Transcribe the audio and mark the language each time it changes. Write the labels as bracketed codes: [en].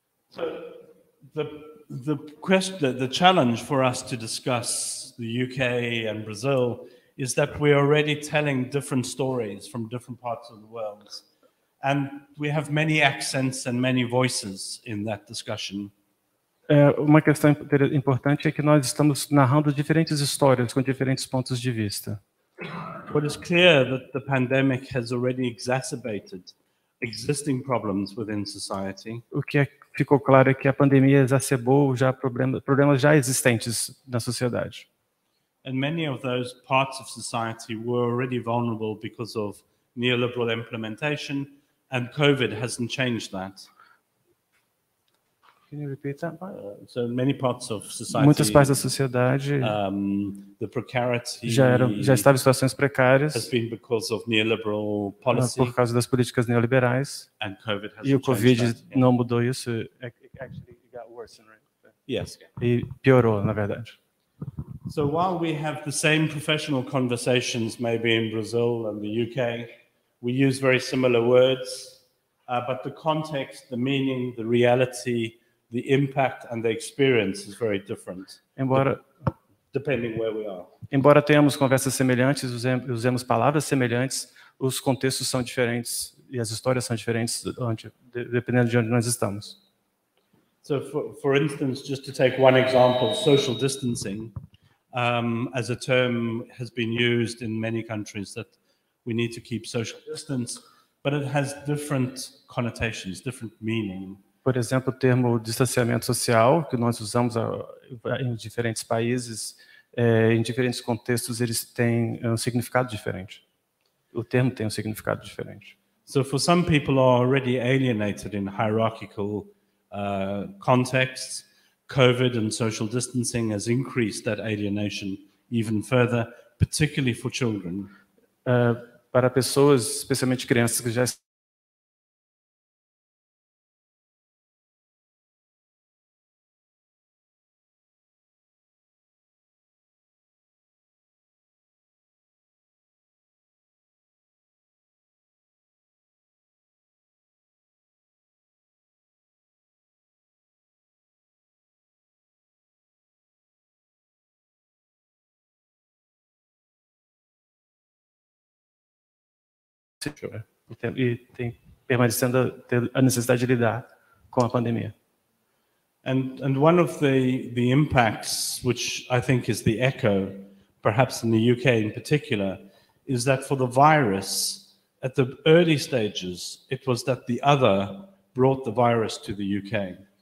[en] So the challenge for us to discuss the UK and Brazil is that we are already telling different stories from different parts of the world. And we have many accents and many voices in that discussion. [pt] Uma questão importante é que nós estamos narrando diferentes histórias com diferentes pontos de vista. [en] But it's clear that the pandemic has already exacerbated existing problems within society. [pt] O que ficou claro é que a pandemia exacerbou já problemas já existentes na sociedade. [en] And many of those parts of society were already vulnerable because of neoliberal implementation. And COVID hasn't changed that. Can you repeat that? So many parts of society. [pt] Muitas partes da sociedade. [en] The precarity. [pt] Já estava em situações precárias. [en] Has been because of neoliberal policy. [pt] Por causa das políticas neoliberais. [en] And COVID hasn't changed. [pt] E o COVID não mudou isso. [en] It actually got worse, right? Yes. [pt] E piorou, na verdade. [en] So while we have the same professional conversations, maybe in Brazil and the UK. We use very similar words, but the context, the meaning, the reality, the impact, and the experience is very different. Depending where we are. [pt] Embora tenhamos conversas semelhantes, usemos palavras semelhantes, os contextos são diferentes e as histórias são diferentes dependendo de onde nós estamos. [en] So, for instance, just to take one example, social distancing, as a term has been used in many countries that. We need to keep social distance, but it has different connotations, different meaning. [pt] Por exemplo, o termo distanciamento social, que nós usamos em diferentes países, em diferentes contextos, eles têm um significado diferente. O termo tem um significado diferente. [en] So for some people are already alienated in hierarchical contexts, COVID and social distancing has increased that alienation even further, particularly for children. [pt] Para pessoas, especialmente crianças que já e tem permanecendo a necessidade de lidar com a pandemia. [en] And one of the impacts, which I think is the echo, perhaps in the UK in particular, is that for the virus, at the early stages, it was that the other brought the virus to the UK.